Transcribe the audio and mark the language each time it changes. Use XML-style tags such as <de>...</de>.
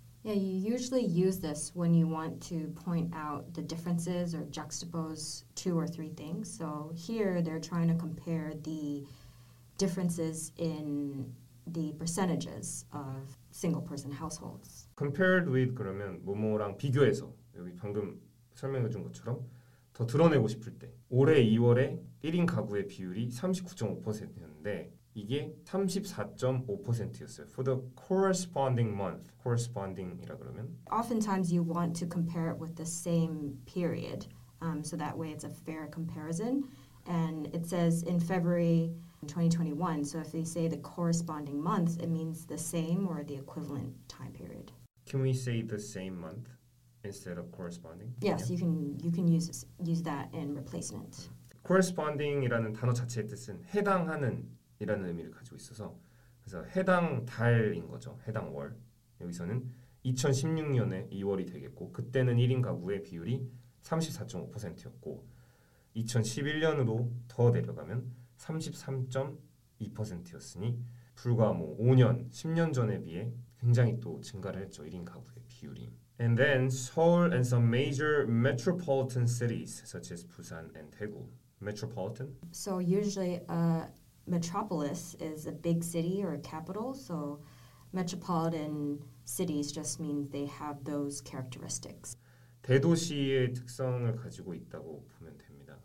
<en>Yeah, you usually use this when you want to point out the differences or juxtapose two or three things. So here they're trying to compare the differences in the percentages of single-person households. Compared with</en> <ko>그러면 뭐뭐랑 비교해서 여기 방금 설명해 준 것처럼 더 드러내고 싶을 때 올해 2월에 1인 가구의 비율이 39.5%였는데 이게 34.5%였어요.</ko> <en>For the corresponding month, corresponding</en> <ko>이라 그러면</ko> <en>oftentimes you want to compare it with the same period, so that way it's a fair comparison. And it says in February 2021. So if they say the corresponding month, it means the same or the equivalent time period. Can we say the same month instead of corresponding? Yes, yeah. you can use that in replacement.</en> <ko>Corresponding이라는 단어 자체의 뜻은 해당하는 이라는 의미를 가지고 있어서 그래서 해당 달인 거죠. 해당 월. 여기서는 2016년에 2월이 되겠고 그때는 1인 가구의 비율이 34.5%였고 2011년으로 더 내려가면 33.2%였으니 불과 뭐 5년, 10년 전에 비해 굉장히 또 증가를 했죠. 1인 가구의 비율이.</ko> <en>And then Seoul and some major metropolitan cities such as Busan and Daegu. Metropolitan? So usually Metropolis is a big city or a capital, so metropolitan cities just means they have those characteristics.</en> <ko>대도시의 특성을 가지고 있다고 보면 됩니다.</ko>